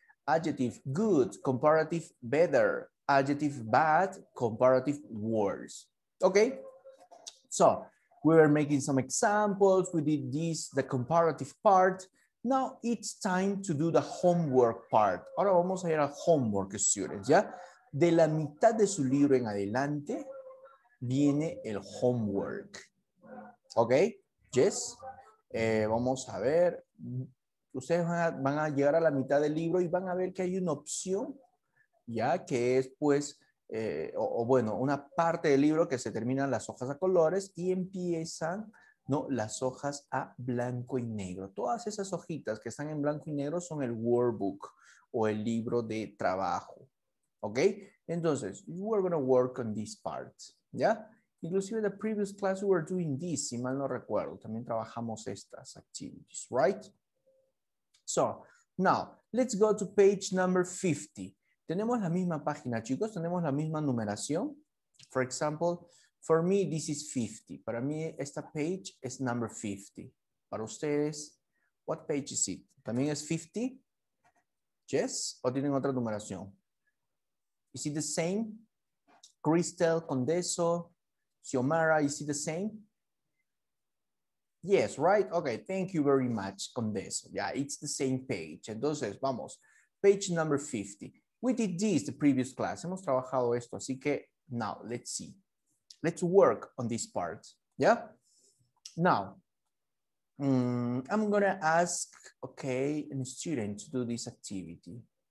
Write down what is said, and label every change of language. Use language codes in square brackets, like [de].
[en] Adjective good, comparative better. Adjective bad, comparative worse. Okay, so we were making some examples. We did this, the comparative part. Now it's time to do the homework part. [es] Ahora vamos a ir a homework, students, ¿ya? De la mitad de su libro en adelante viene el homework. Okay. Yes, vamos a ver, ustedes van a llegar a la mitad del libro y van a ver que hay una opción, ya que es pues, bueno, una parte del libro que se terminan las hojas a colores y empiezan, ¿no?, las hojas a blanco y negro. Todas esas hojitas que están en blanco y negro son el workbook o el libro de trabajo, ¿ok? [en] Entonces, we're going to work on this part, ¿ya? Inclusive in the previous class, we were doing this, [es] si mal no recuerdo. También trabajamos estas [en] activities, right? So, now, let's go to page number 50. [es] Tenemos la misma página, chicos. Tenemos la misma numeración. [en] For example, for me, this is 50. [es] Para mí, esta page es number 50. Para ustedes, [en] what page is it? [es] ¿También es 50? Yes? ¿O tienen otra numeración? [en] Is it the same? Crystal, Condeso. Xiomara, is it the same? Yes, right? Okay, thank you very much, Condeso. Yeah, it's the same page. [es] Entonces, vamos. [en] Page number 50. We did this the previous class. [es] Hemos trabajado esto, así que [en] now, let's see. Let's work on this part. Yeah? Now, I'm going to ask, okay, a student to do this activity.